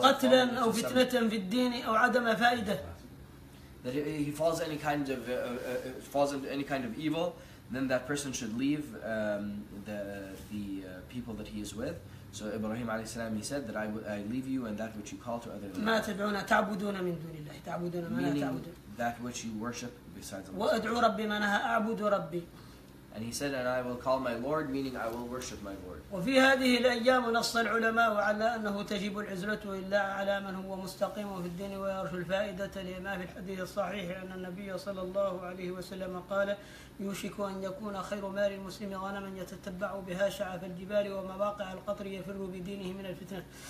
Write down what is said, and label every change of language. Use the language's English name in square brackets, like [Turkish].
[Arabic] قتلا أو فتنة في الدين أو عدم فائدة. [English] That he falls any kind of falls into any kind of evil, then that person should leave the people that he is with. So Ibrahim alayhi salam, he said that I leave you and that which you call to other than [Arabic] Allah. ما تدعون تعبدون من دون الله تعبدون ما [English] Meaning [Arabic] لا تعبدون. [English] That which you worship besides Allah. [Arabic] وأدعو ربي ما نهى أعبد ربي. [English] And he said, and I will call my Lord, meaning I will worship my Lord. [Arabic] وفي هذه الأيام نص العلماء على أنه تجب العزلة إلا على من هو مستقيم في الدين ويرجو الفائدة لما في الحديث الصحيح أن النبي صلى الله عليه وسلم قال يوشك أن يكون خير مال المسلم غنما يتتبع بها شعف الجبال ومواقع القطر يفر بدينه من الفتنة.